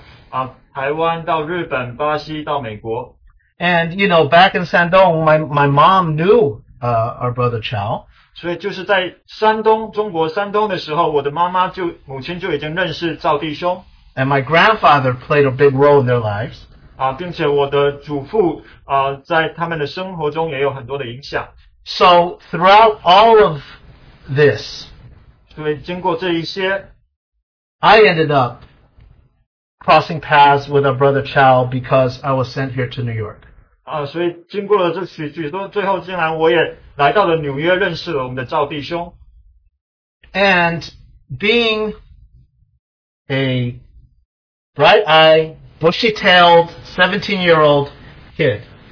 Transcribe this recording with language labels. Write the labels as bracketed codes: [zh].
[zh] 所以弟兄姊妹可能没有去参加他的追思聚会，但是在那个聚会上面，讲到他的生平的时候，我们实在是可以看到主怎么带领他一步一步从山东到台湾，到日本、巴西、到美国。 [en] And, you know, back in Sandong, my mom knew our brother Chow. [zh] 所以就是在山东，中国山东的时候，我的妈妈就母亲就已经认识赵弟兄。 [en] And my grandfather played a big role in their lives. [zh] 并且我的祖父在他们的生活中也有很多的影响。 [en] So throughout all of this, [zh] 所以经过这一些, [en] I ended up crossing paths with our brother Chow because I was sent here to New York. [zh] 所以经过了这许多，最后竟然我也来到了纽约，认识了我们的赵弟兄。 [en] And being a bright-eyed, bushy-tailed, 17-year-old kid.